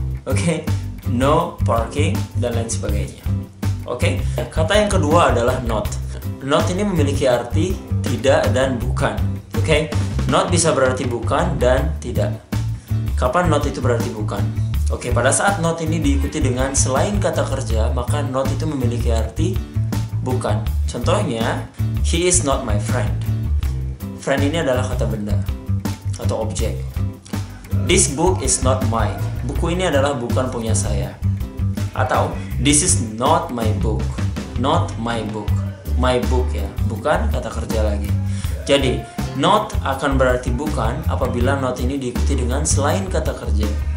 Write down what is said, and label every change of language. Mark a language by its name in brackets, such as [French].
[Indonesian] Oke, [English] no parking [Indonesian] dan lain sebagainya. Oke, kata yang kedua adalah not. Not ini memiliki arti tidak dan bukan. Oke, not bisa berarti bukan dan tidak. Kapan not itu berarti bukan? Oke, pada saat not ini diikuti dengan selain kata kerja, maka not itu memiliki arti bukan. Contohnya, [English] he is not my friend. [Indonesian] Friend ini adalah kata benda atau objek. [English] This book is not mine. [Indonesian] Buku ini adalah bukan punya saya. Atau, [English] this is not my book. Not my book. My book [Indonesian] ya, bukan kata kerja lagi. Jadi, not akan berarti bukan apabila not ini diikuti dengan selain kata kerja.